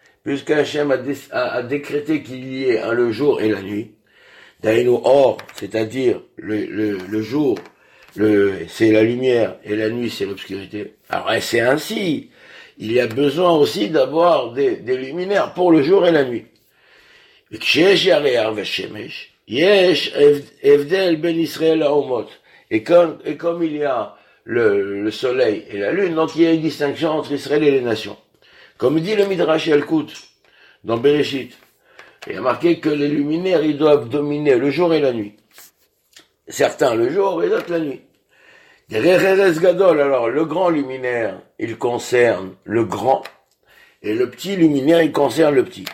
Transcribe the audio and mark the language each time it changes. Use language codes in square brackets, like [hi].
[fr] Puisque Hachem a décrété qu'il y ait le jour et la nuit. Daïnu or, c'est-à-dire le jour, c'est la lumière et la nuit c'est l'obscurité. Alors, c'est ainsi. Il y a besoin aussi d'avoir des luminaires pour le jour et la nuit. [he] וכשיש ירח ושמש, יש הבדל בין ישראל לאומות. [fr] Et comme il y a le soleil et la lune, donc il y a une distinction entre Israël et les nations. Comme dit le Midrash Elkout, dans Bereshit, il y a marqué que les luminaires, ils doivent dominer le jour et la nuit. Certains le jour et d'autres la nuit. Rereres Gadol, alors le grand luminaire, il concerne le grand, et le petit luminaire, il concerne le petit.